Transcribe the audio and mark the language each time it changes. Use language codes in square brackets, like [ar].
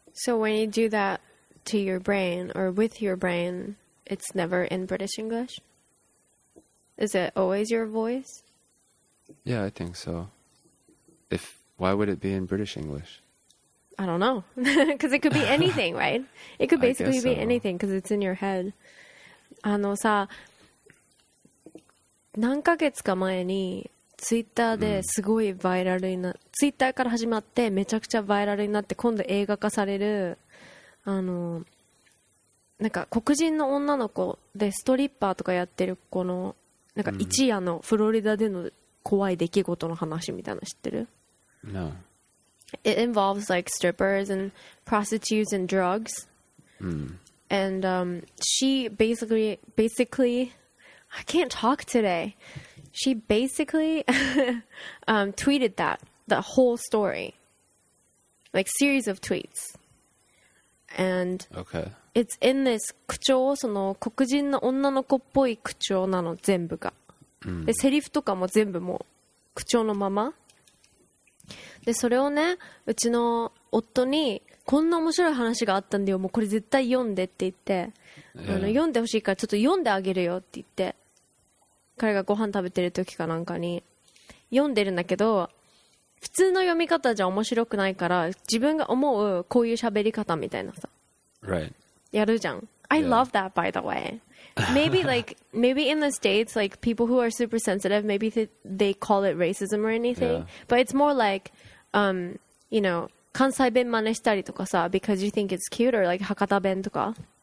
[en] So when you do that to your brain or with your brain, it's never in British English? Is it always your voice? Yeah, I think so. If, why would it be in British English? I don't know, because it could be anything, right? It could basically be anything, because it's in your head. [ja] あのさ、何ヶ月か前にツイッターですごいバイラルになっ、ツイッターから始まってめちゃくちゃバイラルになって今度映画化されるあのなんか黒人の女の子でストリッパーとかやってるこのなんか一夜のフロリダでの怖い出来事の話みたいなの知ってる？ [en] No. It involves like strippers and prostitutes and drugs. And she basically, I can't talk today. She basically tweeted that whole story, like series of tweets. And okay. It's in this [ja] 口調、その黒人の女の子っぽい口調なの全部が。で、セリフとかも全部もう口調のまま。でそれをねうちの夫にこんな面白い話があったんだよもうこれ絶対読んでって言って、 [en] yeah. [ja] あの読んでほしいからちょっと読んであげるよって言って彼がご飯食べてる時かなんかに読んでるんだけど普通の読み方じゃ面白くないから自分が思うこういう喋り方みたいなさ、 [en] right. [ja] やるじゃん、 [en] yeah. I love that by the way maybe like maybe in the States like people who are super sensitive maybe they call it racism or anything、 yeah. but it's more likeyou know, [ja] 関西弁真似したりとかさ [en] because you think it's cute or like [ja] 博多弁とか